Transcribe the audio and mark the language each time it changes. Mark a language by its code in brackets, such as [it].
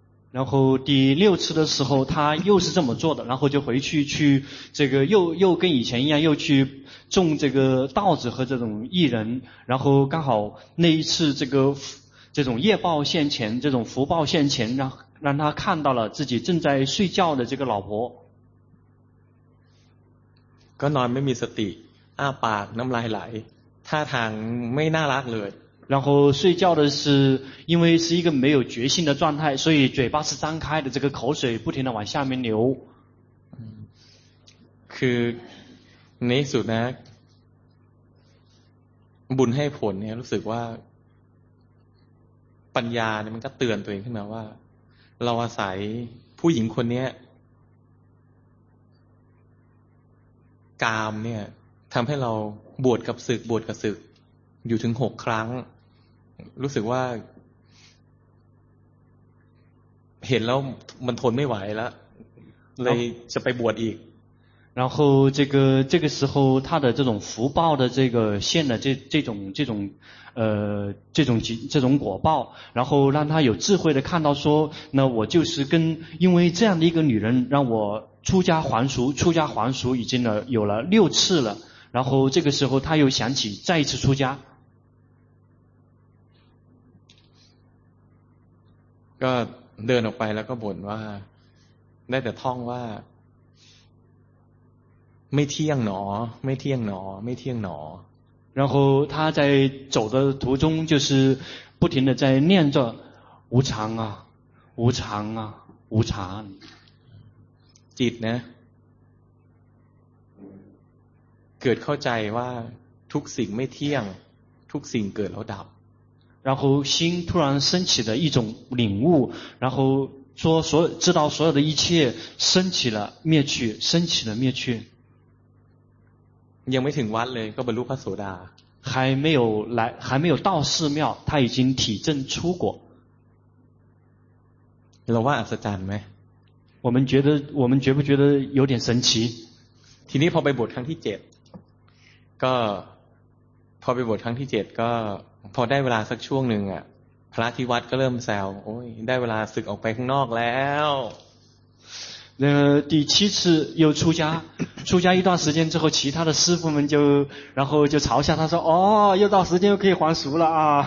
[zh] 然后第六次的时候他又是这么做的然后就回去这个又跟以前一样又去种这个稻子和这种薏仁然后刚好那一次这种业报现前这种福报现前让他看到了自己正在睡觉的这个老婆 [th] ก็นอนไม่มีสติอ้าปากน้ำลายไหลท่าทางไม่น่ารักเลย [zh] 然后睡觉的是因为是一个没有决心的状态所以嘴巴是张开的这个口水不停地往下面流 [th] คือในสุดนะบุญให้ผลเนี่ยรู้สึกว่าปัญญาเนี่ยมันก็เตือนตัวเองขึ้นมาว่าเราอาศัยผู้หญิงคนนี้กามเนี่ยทำให้เราบวชกับศึกอยู่ถึง6ครั้งรู้สึกว่าเห็นแล้วมันทนไม่ไหวแล้วเลยจะไปบวชอีก [zh] 然后这个时候他的这种福报的这个现的这种果报然后让他有智慧的看到说那我就是跟因为这样的一个女人让我出家还俗已经有了六次了然后这个时候他又想起再一次出家 [th] ก็เดินออกไปแล้วก็บ่นว่าได้แต่ท่องว่าไม่เที่ยงหนอไม่เที่ยงหนอไม่เที่ยงหนอ [zh] 然后他在走的途中就是不停的在念着无常啊无常啊无常 [th] จิตนะเกิดเข้าใจว่าทุกสิ่งไม่เที่ยงทุกสิ่งเกิดแล้วดับ [zh] 然后心突然升起的一种领悟然后说所知道所有的一切升起了灭去升起了灭去 [th] ยังไม่ถึงวัดเลยก็บรรลุพระโสดา [zh] 还没有到寺庙他已经体证出果 [th] เราว่าอัศจรรย์ไหม [zh] 我们觉不觉得有点神奇 [th] ทีนี้พอไปบวชครั้งที่7ก็พอไปบวชครั้งที่7ก็พอได้เวลาสักช่วงหนึ่งอ่ะพระที่วัดก็เริ่มแซวโอ้ยได้เวลาสึกออกไปข้างนอกแล้ว [zh] 第七次又出家出家一段时间之后其他的师父们就然后就嘲笑他说哦又到时间又可以还俗了啊